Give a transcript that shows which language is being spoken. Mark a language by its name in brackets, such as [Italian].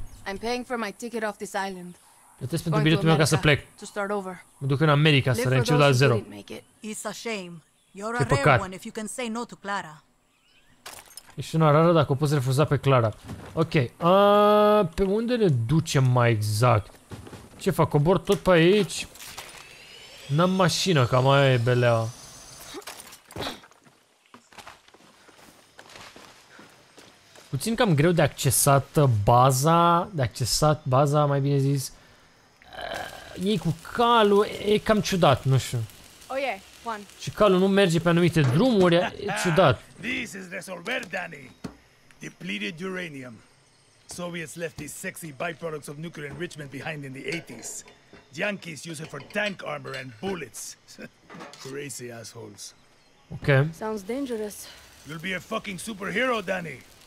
[English] I'm paying for my ticket off this island. [Romanian] Plătesc pentru biletul meu ca să plec. [English] To start over. [Romanian] Mă duc în America să reîncep la zero. [English] It's a shame. You're a rare one if you can say no to Clara. [Romanian] Ești una rară dacă o poți refuza pe Clara. Ok, pe unde ne ducem mai exact? Ce fac, cobor tot pe aici? N-am mașină, cam aia e belea. Puțin cam greu de accesat baza, mai bine zis. Ei cu calul, e cam ciudat, nu știu. [English] Oh yeah. Juan. [Romanian] Și calul nu merge pe anumite drumuri, e ciudat. [English] This is resolver, Danny. Depleted uranium. Soviets left these sexy byproducts of nuclear enrichment behind in the 80s. Yankees use it for tank armor and bullets. Crazy assholes. Okay. Sounds dangerous. You'll be a fucking superhero, Danny.